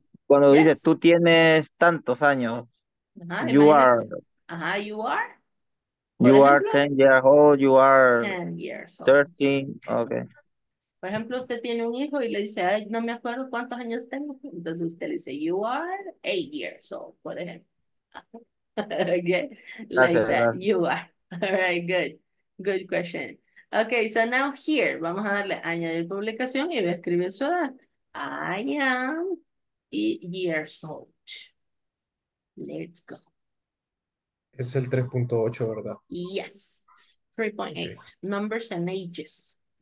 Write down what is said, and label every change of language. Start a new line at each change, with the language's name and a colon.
Spanish: Cuando dice tú tienes tantos años,
English: you are. Ajá, you are. You are 10 years old, you are 13, okay.
Spanish: Por ejemplo, usted tiene un hijo y le dice, ay, no me acuerdo cuántos años tengo. Entonces usted le dice,
English: you are 8 years old,
Spanish: por ejemplo.
English: Okay, like that, you are. All right, good. Good question. Okay, so now here,
Spanish: vamos a darle añadir publicación y voy a escribir su edad.
English: I am 8 years old. Let's go.
Spanish: Es el 3.8, ¿verdad?
English: Yes. 3.8. Okay. Numbers and ages.